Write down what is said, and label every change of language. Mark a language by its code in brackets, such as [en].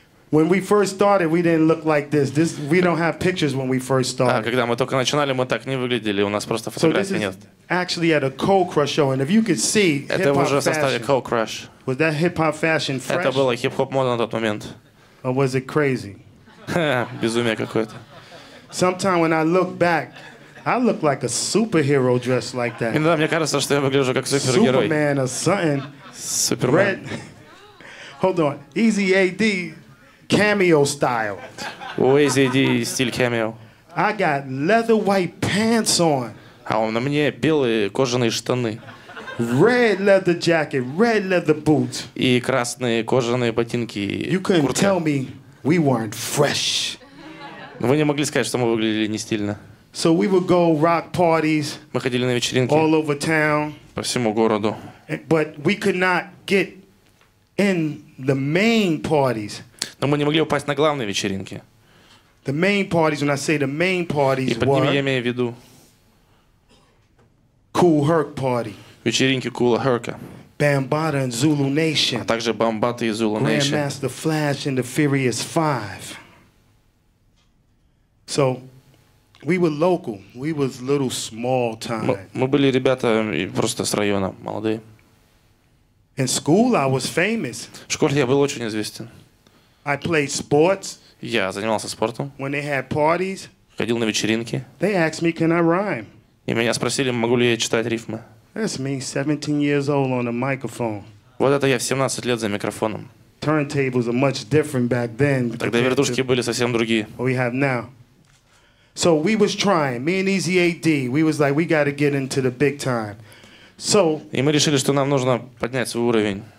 [en] When we first started, we didn't look like this. This we don't have pictures when we first started. [ru] Когда мы только начинали, мы так не выглядели. У нас просто фотографий нет. [en] Actually at a Cold Crush show, and if you could see [ru] это уже составили Cold Crush. [en] Was that hip hop fashion fresh? [ru] Это было хип хоп мода на тот момент. [en] Or was it crazy? [ru] Безумие какое-то. [en] Sometimes when I look back, I look like a superhero dressed like that. [ru] Иногда мне кажется, что я выгляжу как супергерой. [en] Superman or something. Superman. Red. Hold on, Easy AD cameo style. [ru] Easy AD стиль cameo. [en] I got leather white pants on. [ru] А на мне белые кожаные штаны. [en] Red leather jacket, red leather boots. [ru] И красные кожаные ботинки. [en] You couldn't [ru] куртка. [en] Tell me we weren't fresh. [ru] Вы не могли сказать, что мы выглядели не стильно. [en] So we would go rock parties. [ru] Мы ходили на вечеринки. [en] All over town. [ru] По всему городу. [en] But we could not get in the main parties. [ru] Но мы не могли попасть на главные вечеринки. [en] The main parties, when I say the main parties, [ru] и под ними я имею в виду [en] Kool Herc party. [ru] Вечеринки Кула Херка. [en] Bambata and Zulu Nation. [ru] А также Bambata и Zulu Nation. [en] Grandmaster Flash and the Furious Five. So, We were local. We was little small time. [ru] Мы были ребята просто с района, молодые. [en] In school I was famous. [ru] В школе я был очень известен. [en] I played sports. [ru] Я занимался спортом. [en] When they had parties. [ru] Ходил на вечеринки. [en] They asked me, can I rhyme? [ru] И меня спросили, могу ли я читать рифмы. [en] That's me, 17 years old on a microphone. [ru] Вот это я в 17 лет за микрофоном. [en] Turntables are much different back then. [ru] Тогда вертушки были совсем другие. [en] What we have now. So we was trying, me and Easy AD, we was like, we gotta get into the big time. So, [ru] и мы решили, что нам нужно поднять свой уровень.